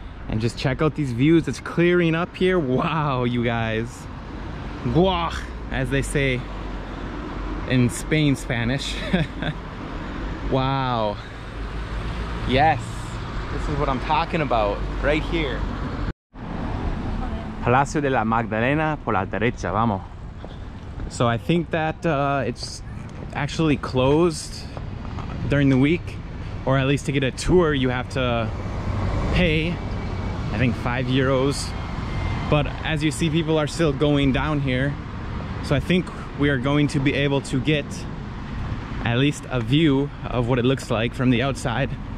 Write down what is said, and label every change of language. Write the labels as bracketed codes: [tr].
[en] And just check out these views. It's clearing up here. Wow, you guys. Buah, as they say in Spain Spanish. Wow. Yes, this is what I'm talking about, right here. [es] Palacio de la Magdalena por la derecha, vamos. [en] So I think that it's actually closed during the week, or at least to get a tour you have to pay, I think, 5 euros. But as you see, people are still going down here. So I think we are going to be able to get at least a view of what it looks like from the outside.